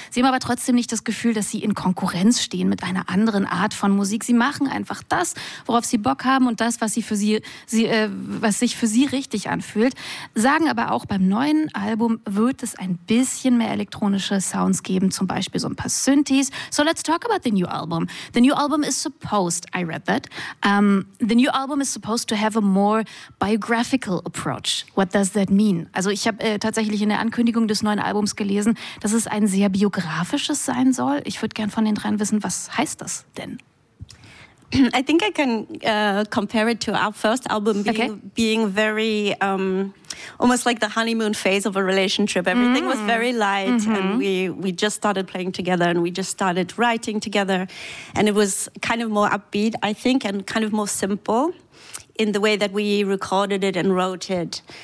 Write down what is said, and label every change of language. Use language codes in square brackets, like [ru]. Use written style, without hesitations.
[de] Sie haben aber trotzdem nicht das Gefühl, dass sie in Konkurrenz stehen mit einer anderen Art von Musik. Sie machen einfach das, worauf sie Bock haben, und das, was sich für sie richtig anfühlt. Sagen aber auch, beim neuen Album wird es ein bisschen mehr elektronisch Sounds geben, zum Beispiel so ein paar Synthes. [en] So let's talk about the new album. The new album is supposed, I read that, the new album is supposed to have a more biographical approach. What does that mean? [de] Also ich habe tatsächlich in der Ankündigung des neuen Albums gelesen, dass es ein sehr biografisches sein soll. Ich würde gern von den dreien wissen, was heißt das denn? [en] I think I can compare it to our first album being very, almost like the honeymoon phase of a relationship. Everything was very light, mm-hmm. and we just started playing together, and we just started writing together. And it was kind of more upbeat, I think, and kind of more simple in the way that we recorded it and wrote it.